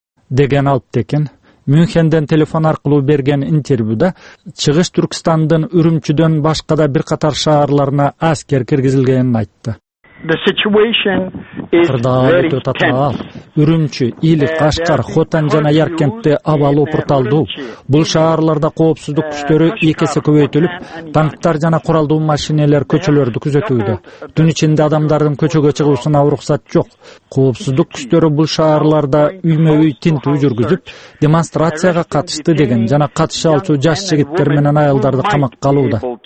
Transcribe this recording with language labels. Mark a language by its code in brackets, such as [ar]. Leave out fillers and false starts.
[ky] Деген алып текен Мюнхенден телефон аркылуу берген интервьюда чыгыш Түркстандын Үрүмчүдөн башка да бир катар шаарларына аскер киргизилгенин айтты. [en] The situation is very tense. [ky] Үрүмчү, Или, Кашкар, Хотан жана Яркентте абалы упурталдуу. Бул шаарларда коопсуздук күчтөрү эки эсе көбөйтүлүп, танктар жана куралдуу машинелер көчөлөрдү күзөтүүдө. Түн ичинде адамдардын көчөгө чыгуусуна уруксат жок. Коопсуздук күчтөрү бул шаарларда үймө-үй тинтүү жүргүзүп, демонстрацияга катышты деген жана катыша алчу жаш жигиттер менен аялдарды камакка алууда.